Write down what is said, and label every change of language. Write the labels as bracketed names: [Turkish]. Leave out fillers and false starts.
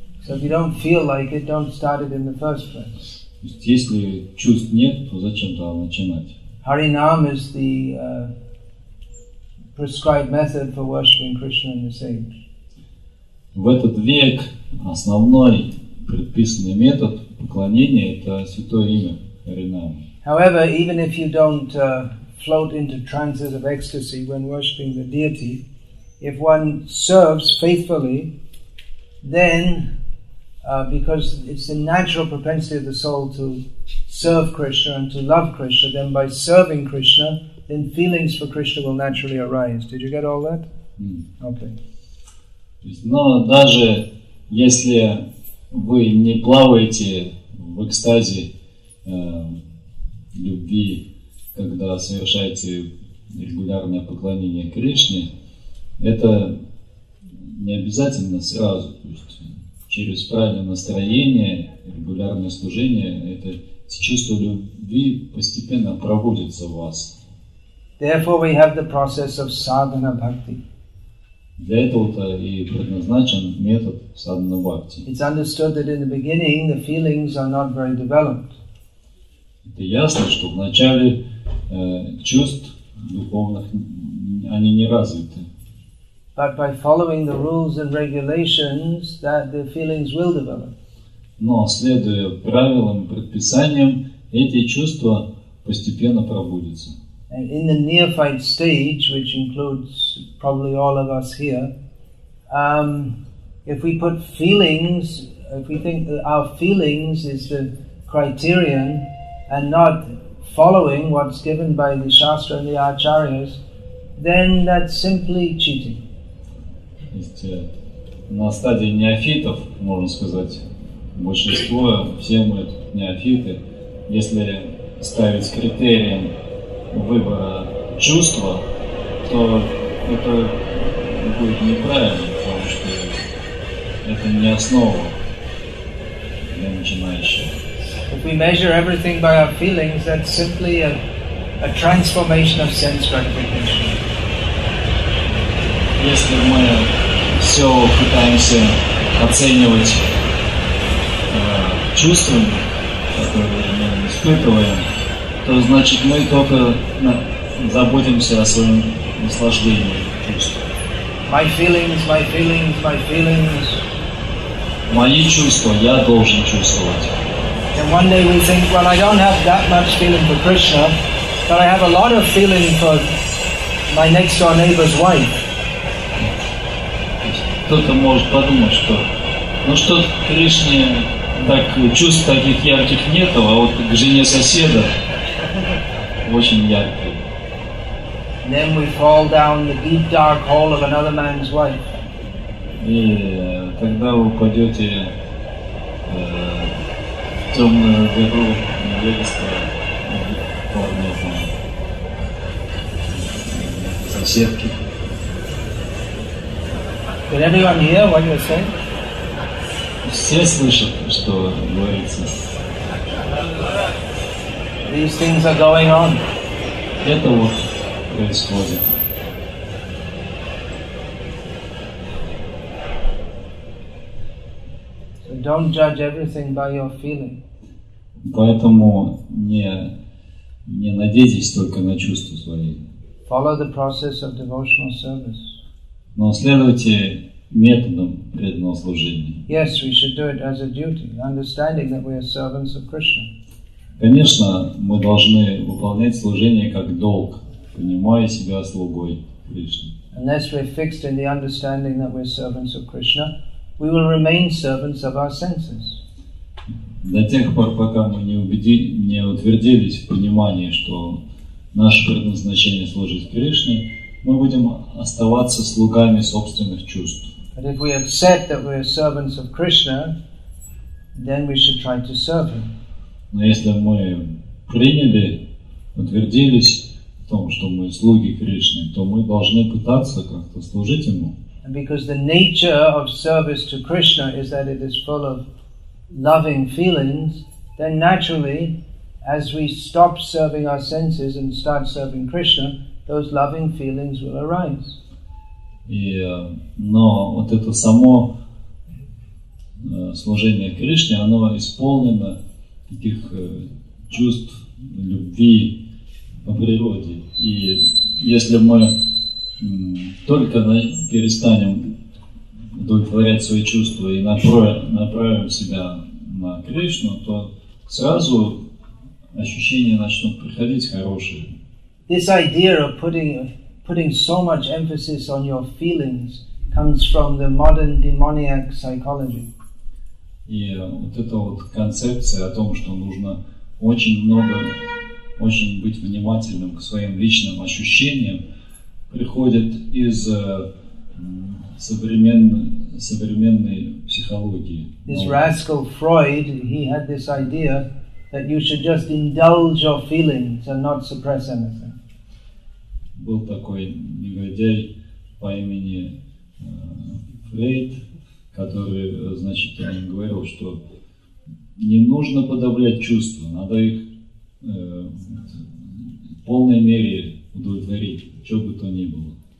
[English] So if you don't feel like it, don't start it in the first place. [Russian] То есть, если чувств нет, то зачем тогда начинать? [English] Харинам is the prescribed method for worshiping Krishna in this age. [Russian] В этот век основной предписанный метод поклонения это святое имя Харинам. [English] However, even if you don't float into trances of ecstasy when worshiping the deity, if one serves faithfully, then because it's the natural propensity of the soul to serve Krishna and to love Krishna, then by serving Krishna, then feelings for Krishna will naturally arise. Did you get all that? Okay. [Russian] Но даже если вы не плаваете в экстазе любви, когда совершаете регулярное поклонение Кришне, это не обязательно сразу, то есть через правильное настроение, регулярное служение, это чувство любви постепенно проводится в вас. [English] Therefore we have the process of sadhana bhakti. [Russian] Для этого-то и предназначен метод sadhana bhakti. [English] It's understood that in the beginning the feelings are not very developed. [Russian] Это ясно, что вначале чувств духовных они не развиты. [English] But by following the rules and regulations, that the feelings will develop. [Russian] Но следуя правилам и предписаниям, эти чувства постепенно пробудятся. [English] And in the neophyte stage, which includes probably all of us here, if we put feelings, if we think that our feelings is the criterion, and not following what's given by the Shastra and the Acharyas, then that's simply cheating. [Russian] То есть на стадии неофитов, можно сказать, большинство, все мы тут неофиты, если ставить критерием выбора чувства, то это будет неправильно, потому что это не основа для начинающего. [English] If we measure everything by our feelings, that's simply a transformation of sense gratification. [Russian] Если мы все пытаемся оценивать чувствами, которые мы испытываем, то значит мы только заботимся о своем наслаждении чувствами. [English] My feelings, my feelings, my feelings. [Russian] Мои чувства, я должен чувствовать. [English] And one day we think, well, I don't have that much feeling for Krishna, but I have a lot of feeling for my next door neighbor's wife. [Russian] Кто-то может подумать, что ну что Кришне так чувств таких ярких нету, а вот к жене соседа очень яркие. [English] Then we fall down the deep dark hole of another man's wife. [Russian] И тогда вы упадете в темную дыру невесты, не знаю, соседки. [English] Did everyone hear what you're saying? [Russian] Все слышат, что говорится. [English] These things are going on. [Russian] Это вот происходит. [English] Don't judge everything by your feeling. [Russian] Поэтому не надейтесь только на чувства свои. [English] Follow the process of devotional service. [Russian] Но следуйте методам преданного служения. [English] Yes, we should do it as a duty, understanding that we are servants of Krishna. [Russian] Конечно, мы должны выполнять служение как долг, понимая себя слугой Кришны. [English] Unless we're fixed in the understanding that we're servants of Krishna, we will remain servants of our senses. [Russian] До тех пор, пока мы не утвердились в понимании, что наше предназначение служить Кришне, мы будем оставаться слугами собственных чувств. [English] But if we accept that we are servants of Krishna, then we should try to serve Him. [Russian] Но если мы приняли, утвердились в том, что мы слуги Кришны, то мы должны пытаться как-то служить Ему. [English] Because the nature of service to Krishna is that it is full of loving feelings, then naturally, as we stop serving our senses and start serving Krishna, those loving feelings will arise. [Russian] Но вот это само служение Кришне, оно исполнено таких чувств любви по природе. И если мы только перестанем удовлетворять свои чувства и направим себя на Кришну, то сразу ощущения начнут приходить хорошие. [English] This idea of putting so much emphasis on your feelings comes from the modern demoniac psychology. [Russian] И вот эта вот концепция о том, что нужно очень быть внимательным к своим личным ощущениям, приходит из современной психологии. [English] This rascal Freud, he had this idea that you should just indulge your feelings and not suppress anything. [Russian] Был такой негодяй по имени Фрейд, который, значит, он говорил, что не нужно подавлять чувства, надо их в полной мере удовлетворить, что бы то ни было.